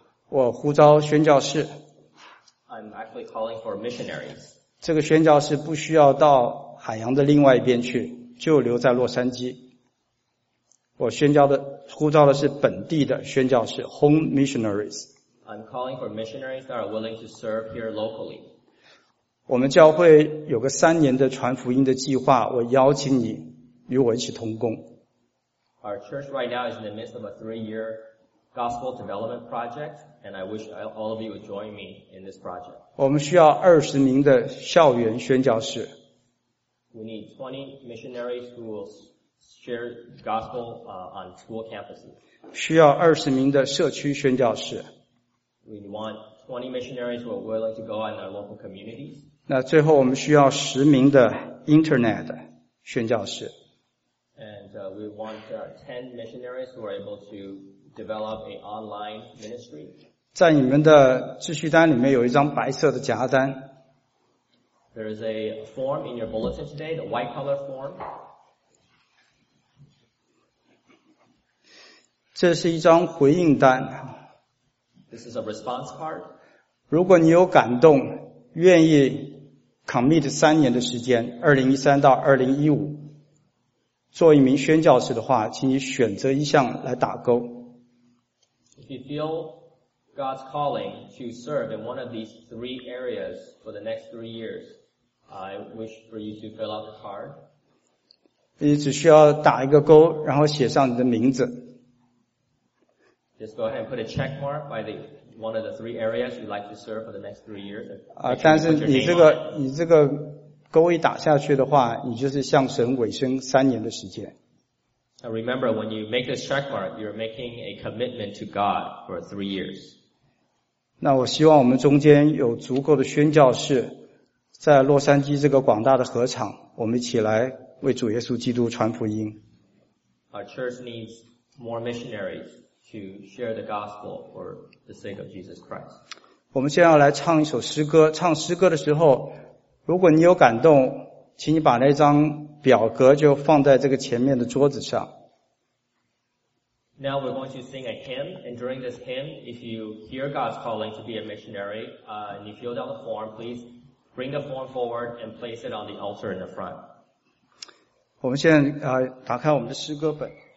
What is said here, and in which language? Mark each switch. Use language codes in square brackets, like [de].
[zh] 我呼召宣教士。 [en] I'm actually calling for missionaries. [zh] 这个宣教士不需要到海洋的另外一边去，就留在洛杉矶。我呼召的是本地的宣教士 , [en] home missionaries. I'm calling for missionaries that are willing to serve here locally. [zh] 我们教会有个三年的传福音的计划，我邀请你与我一起同工。 [en] Our church right now is in the midst of a 3-year gospel development project, and I wish all of you would join me in this project. [zh] 我们需要20名的校园宣教士。 [en] We need 20 missionaries who will share gospel on school campuses. [zh] 需要20名的社区宣教士。 [en] We want 20 missionaries who are willing to go in our local communities. [zh] 那最后我们需要10名的 internet 宣教士。 [en] We want 10 missionaries who are able to develop an online ministry. [zh] 在你们的秩序单里面有一张白色的夹单。 [en] There is a form in your bulletin today, the white color form. [zh] 这是一张回应单。 [en] This is a response card. [zh] 如果你有感动，愿意 commit 三年的时间，2013到2015。做一名宣教士的话，请你选择一项来打勾。 [en] If you feel God's calling to serve in one of these three areas for the next 3 years, I wish for you to fill out the card. [zh] 你只需要打一个勾，然后写上你的名字。 [en] Just go ahead and put a check mark by the one of the three areas you'd like to serve for the next 3 years. [zh] 但是你这个。勾一打下去的话，你就是向神委身三年的时间。 [en] Remember, when you make this check mark, you're making a commitment to God for 3 years. [zh] 那我希望我们中间有足够的宣教士，在洛杉矶这个广大的合场，我们一起来为主耶稣基督传福音。 [en] Our church needs more missionaries to share the gospel for the sake of Jesus Christ. [zh] 我们现在要来唱一首诗歌，唱诗歌的时候，如果你有感动，请你把那张表格就放在这个前面的桌子上。 [en] Now we're going to sing a hymn, and during this hymn, if you hear God's calling to be a missionary, and you fill out the form, please bring the form forward and place it on the altar in the front. [zh] 我们现在打开我们的诗歌本。